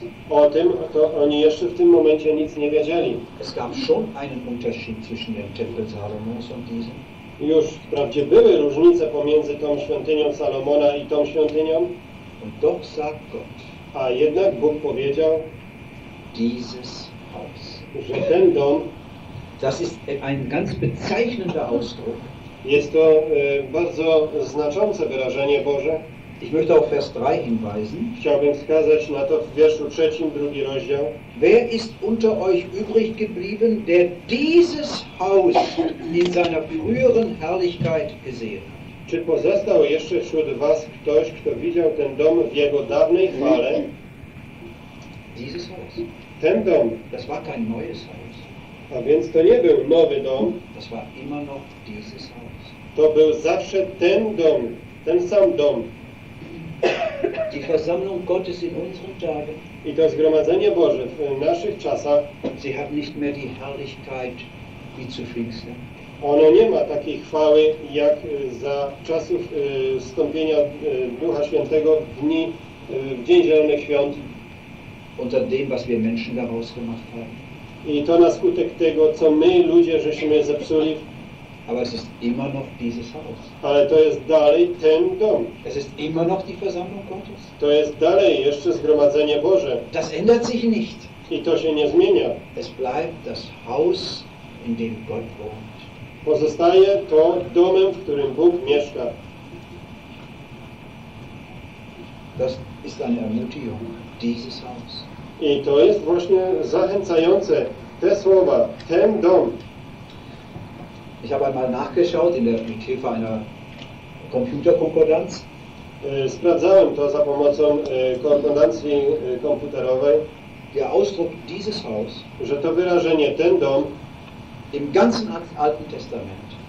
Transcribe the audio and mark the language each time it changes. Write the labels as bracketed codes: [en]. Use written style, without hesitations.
[pl] O tym to oni jeszcze w tym momencie nic nie wiedzieli. [de] Es gab schon einen Unterschied zwischen dem Tempel Salomos und diesem. [pl] Już wprawdzie były różnice pomiędzy tą świątynią Salomona i tą świątynią. [de] Und doch sagt Gott, [pl] a jednak Bóg powiedział, [de] dieses Haus, [pl] że ten dom, [de] das ist ein ganz bezeichnender Ausdruck. [pl] Jest to bardzo znaczące wyrażenie Boże. [de] Ich möchte auf Vers 3 hinweisen. [pl] Chciałbym wskazać na to w wierszu 3, 2 rozdział. [de] Wer ist unter euch übrig geblieben, der dieses Haus in seiner früheren Herrlichkeit gesehen hat? [pl] Czy pozostał jeszcze wśród was ktoś, kto widział ten dom w jego dawnej chwale? [de] Dieses Haus. [pl] Ten dom. [de] Das war kein neues Haus. [pl] A więc to nie był nowy dom. [de] Das war immer noch dieses Haus. [pl] To był zawsze ten dom, ten sam dom. [de] Die Versammlung Gottes in unseren Tagen. [pl] I to zgromadzenie Boże w naszych czasach. [de] Sie hat nicht mehr die Herrlichkeit wie zu Pfingsten. [pl] Ono nie ma takiej chwały jak za czasów wstąpienia Ducha Świętego w Dzień Zielonych Świąt. [de] Unter dem, was wir Menschen daraus gemacht haben. [pl] I to na skutek tego, co my ludzie żeśmy zepsuli. [de] Aber es ist immer noch dieses Haus. [pl] Ale to jest dalej ten dom. [de] Es ist immer noch die Versammlung Gottes. [pl] To jest dalej jeszcze zgromadzenie Boże. [de] Das ändert sich nicht. [pl] I to się nie zmienia. [de] Es bleibt das Haus, in dem Gott wohnt. [pl] Pozostaje to domem, w którym Bóg mieszka. [de] Das ist eine Ermutigung, dieses Haus. [pl] I to jest właśnie zachęcające te słowa, ten dom. [de] Ich habe einmal nachgeschaut in der mit Hilfe einer Computerkonkordanz. [pl] Sprawdzałem to za pomocą konkordancji komputerowej. [de] Der Ausdruck dieses Haus, [pl] że to wyrażenie ten dom [de] im ganzen Alten Testament,